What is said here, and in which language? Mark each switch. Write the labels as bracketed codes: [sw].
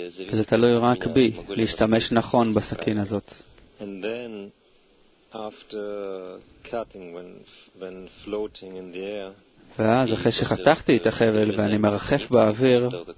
[he] וזה תלוי רק בי להשתמש נכון בסכין הזאת. [en] And then after cutting, when floating in the air, [he] ואז אחרי שחתכתי את החבל ואני מרחף באוויר,